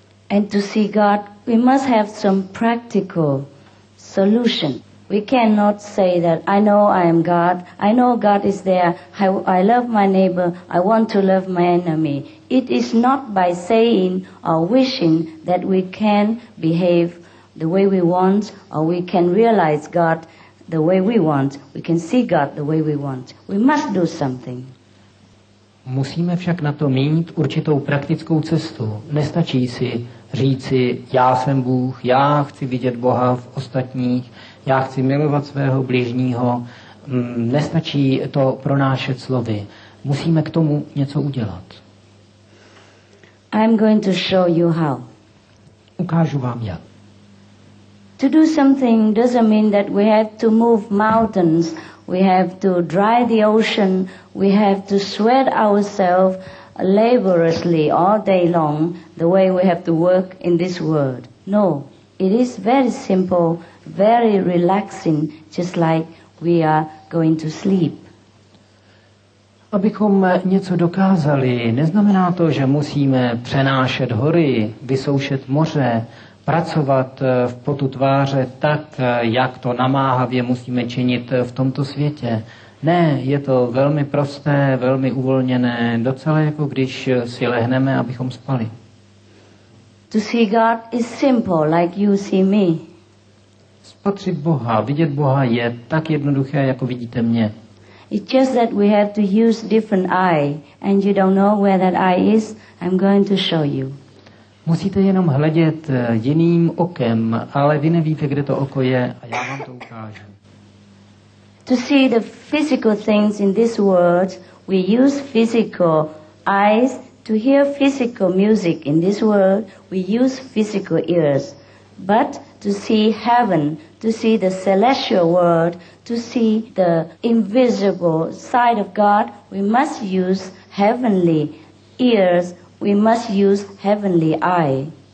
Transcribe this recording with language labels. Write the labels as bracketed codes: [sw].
[en] And to see God, we must have some practical solution. We cannot say that I know I am God. I know God is there. I love my neighbor. I want to love my enemy. It is not by saying or wishing that we can behave the way we want, or we can realize God the way we want. We can see God the way we want. We must do something. [cs] Musíme však na to mít určitou praktickou cestu. Nestačí si říci, já jsem Bůh, já chci vidět Boha v ostatních, já chci milovat svého bližního. Nestačí to pronášet slovy. Musíme k tomu něco udělat. [en] I'm going to show you how. [cs] Ukážu vám jak. [en] To do something doesn't mean that we have to move mountains, we have to dry the ocean, we have to sweat ourselves laboriously all day long, the way we have to work in this world. No, it is very simple, very relaxing, just like we are going to sleep. [cs] Abychom něco dokázali, neznamená to, že musíme přenášet hory, vysoušet moře, pracovat v potu tváře tak, jak to namáhavě musíme činit v tomto světě. Ne, je to velmi prosté, velmi uvolněné, docela jako když si lehneme, abychom spali. [en] To see God is simple, like you see me. [cs] Spatřit Boha, vidět Boha je tak jednoduché, jako vidíte mě. [en] It's just that we have to use different eye, and you don't know where that eye is. I'm going to show you. [cs] Musíte jenom hledět jiným okem, ale vy nevíte, kde to oko je, a já vám to ukážu. [en] To see the physical things in this world, we use physical eyes. To hear physical music in this world, we use physical ears. But to see heaven, to see the celestial world, to see the invisible side of God, we must use heavenly ears, we must use heavenly eye.